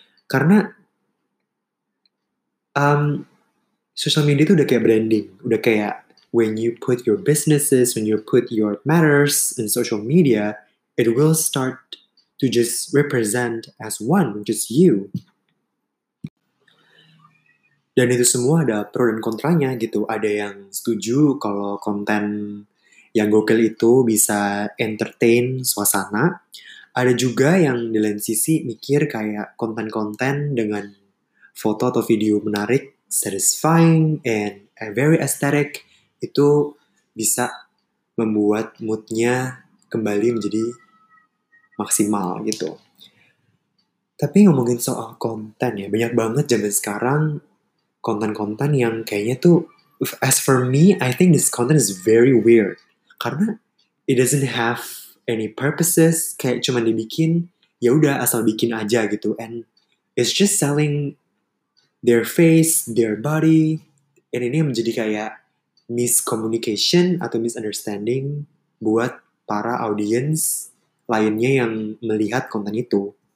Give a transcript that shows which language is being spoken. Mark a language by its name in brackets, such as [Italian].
[Indonesian] Karena social media itu udah kayak [English] branding, udah kayak when you put your businesses, when you put your matters in social media, it will start to just represent as one, just you. [Indonesian] Dan itu semua ada pro dan kontranya gitu. Ada yang setuju kalau konten yang gokil itu bisa entertain suasana. Ada juga yang di lain sisi mikir kayak konten-konten dengan foto atau video menarik, [English] satisfying, and very aesthetic, [Indonesian] itu bisa membuat moodnya kembali menjadi maksimal gitu. Tapi ngomongin soal konten ya, banyak banget zaman sekarang konten-konten yang kayaknya tuh [English] As for me, I think this content is very weird. Karena it doesn't have any purposes, [Indonesian] kayak cuma dibikin, ya udah asal bikin aja gitu. [English] And it's just selling their face, their body. [Indonesian] And ini menjadi kayak miscommunication atau misunderstanding buat para audience lainnya yang melihat konten itu.